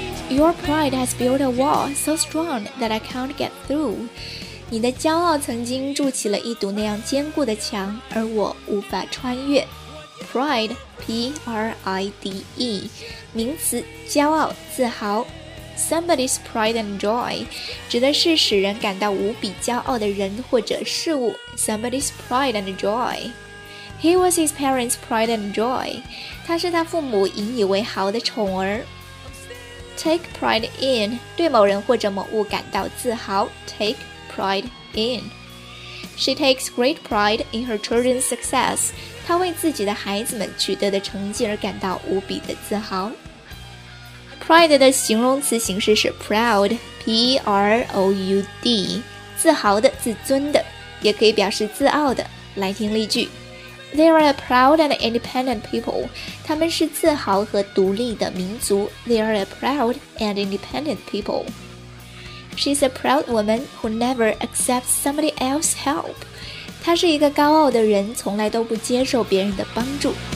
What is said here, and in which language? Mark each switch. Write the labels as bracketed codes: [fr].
[en] Your pride has built a wall so strong that I can't get through. [zh] 你的骄傲曾经筑起了一堵那样坚固的墙，而我无法穿越。 Pride, P-R-I-D-E, 名词，骄傲、自豪。 [en] Somebody's pride and joy, [zh] 指的是使人感到无比骄傲的人或者事物。 [en] Somebody's pride and joy. He was his parents' pride and joy. [zh] 他是他父母引以为豪的宠儿。 [en] Take pride in, [zh] 对某人或者某物感到自豪。 [en] Take pride in. She takes great pride in her children's success. [zh] 她为自己的孩子们取得的成绩而感到无比的自豪。 Pride 的形容词形式是 proud, P-R-O-U-D, 自豪的、自尊的，也可以表示自傲的。来听例句。 [en] They are a proud and independent people. [zh] 他们是自豪和独立的民族。 [en] They are a proud and independent people. She's a proud woman who never accepts somebody else's help. [zh] 她是一个高傲的人，从来都不接受别人的帮助。